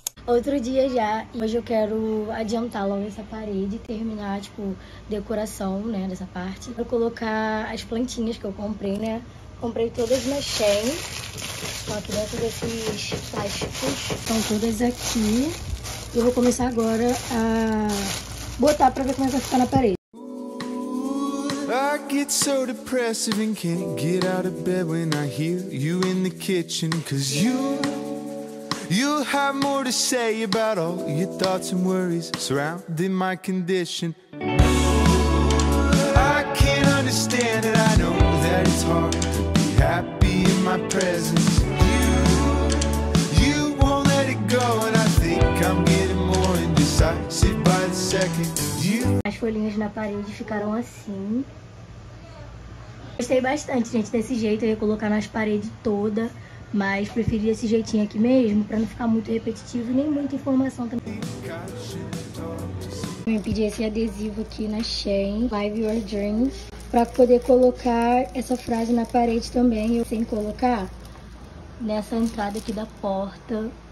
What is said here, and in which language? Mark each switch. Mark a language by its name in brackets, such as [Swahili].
[Portuguese] Outro dia já, hoje eu quero adiantar logo essa parede e terminar, tipo, decoração, né, dessa parte. Pra colocar as plantinhas que eu comprei, né. Comprei todas na Shein. Estão aqui dentro desses plásticos. Estão todas aqui. E eu vou começar agora a botar pra ver como é que vai ficar na parede. [English] I get so depressive and can't get out of bed when I hear you in the kitchen. Cause you have more to say about all your thoughts and worries surrounding my condition. I can't understand it. I know that it's hard. Happy in my presence. You won't let it go. And I think I'm getting more indecisive by the second. [Portuguese] As folhinhas na parede ficaram assim. Gostei bastante, gente, desse jeito. Eu ia colocar nas paredes toda, mas preferi esse jeitinho aqui mesmo, pra não ficar muito repetitivo e nem muita informação também. Me pedi esse adesivo aqui na Shein, [English] Live Your Dreams, [Portuguese] pra poder colocar essa frase na parede também, eu sem colocar nessa entrada aqui da porta.